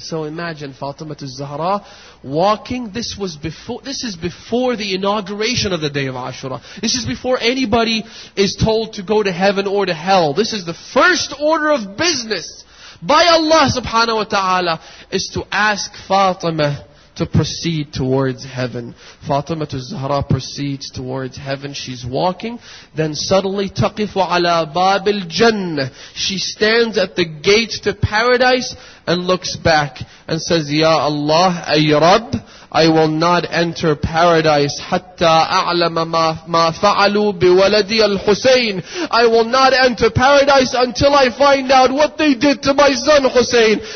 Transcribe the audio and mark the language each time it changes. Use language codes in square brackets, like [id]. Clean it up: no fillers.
[en] So imagine Fatima al-Zahra walking. This is before the inauguration of the Day of Ashura. This is before anybody is told to go to heaven or to hell. This is the first order of business by Allah subhanahu wa ta'ala is to ask Fatima to proceed towards heaven. Fatima al-Zahra proceeds towards heaven. She's walking. Then suddenly, [ar] تَقِفُ عَلَى بَابِ الْجَنَّةِ. [en] She stands at the gate to paradise and looks back and says, Ya Allah, [ar] أي رب, [en] I will not enter paradise [ar] حَتَّى أَعْلَمَ مَا فَعَلُوا بِوَلَدِي الْحُسَيْنِ. [en] I will not enter paradise until I find out what they did to my son Hussein.